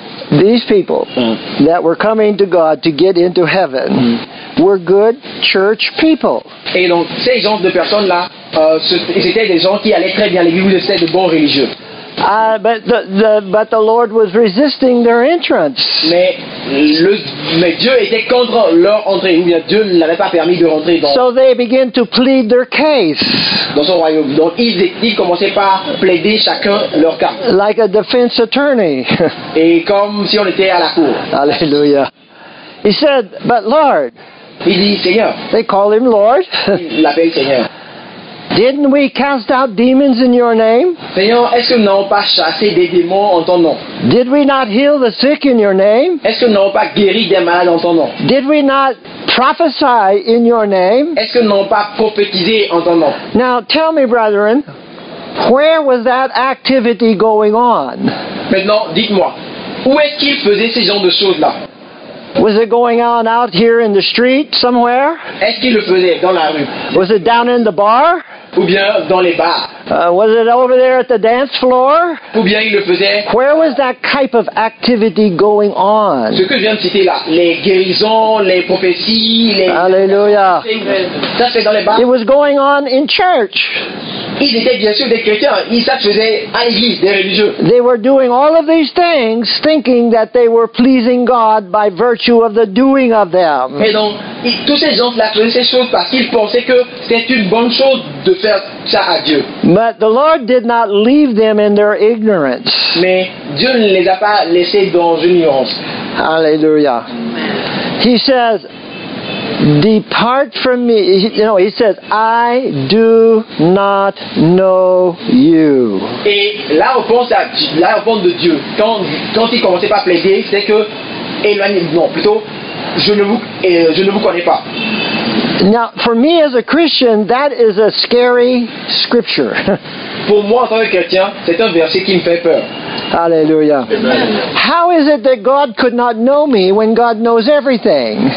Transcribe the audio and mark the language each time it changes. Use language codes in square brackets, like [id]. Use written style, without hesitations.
[en] These people that were coming to God to get into heaven were good church people. [fr] Et donc ces gens de personnes là, c'était des gens qui allaient très bien à l'église, c'était de bons religieux. [en] But the Lord was resisting their entrance. [fr] Mais Dieu était contre leur entrée. Ou bien Dieu ne l'avait pas permis de rentrer dans. [en] So they began to plead their case. [fr] Dans son royaume. Donc ils commençaient par plaider chacun leur cas. [en] Like a defense attorney. [fr] Et comme si on était à la cour. [en] Alléluia. He said, but Lord. [fr] Il dit Seigneur. [en] They call him Lord. [fr] Il l'appelle Seigneur. [en] Didn't we cast out demons in your name? [fr] Seigneur, est-ce que nous n'avons pas chassé des démons en ton nom? [en] Did we not heal the sick in your name? [fr] Est-ce que nous n'avons pas guéri des malades en ton nom? [en] Did we not prophesy in your name? [fr] Est-ce que nous n'avons pas prophétisé en ton nom? [en] Now tell me, brethren, where was that activity going on? [fr] Maintenant, dites-moi, où est-ce qu'ils faisaient ces genres de choses-là? [en] Was it going on out here in the street somewhere? [fr] Est-ce qu'il le faisait dans la rue? [en] Was it down in the bar? [fr] Ou bien dans les bars? [en] Was it over there at the dance floor? [fr] Ou bien il le faisait? [en] Where was that type of activity going on? [fr] Ce que je viens de citer là, les guérisons, les prophéties, les. Alléluia. Ça c'est dans les bars. [en] It was going on in church. [fr] Ils étaient bien sûr des chrétiens, ça faisait à l'église, des religieux. [en] They were doing all of these things, thinking that they were pleasing God by virtue of the doing of them. [fr] Et donc, tous ces gens là faisaient ces choses parce qu'ils pensaient que c'est une bonne chose de faire ça à Dieu. [en] But the Lord did not leave them in their ignorance. [fr] Mais Dieu ne les a pas laissés dans une ignorance. [en] Alléluia. He says, depart from me. You know, he says, I do not know you. [fr] Et la réponse, de Dieu, quand il commençait pas à plaider, c'est que je ne vous connais pas. [en] Now, for me as a Christian, that is a scary scripture. [fr] Pour moi, en tant que chrétien, c'est un verset qui me fait peur. Alléluia. Amen. [en] How is it that God could not know me when God knows everything?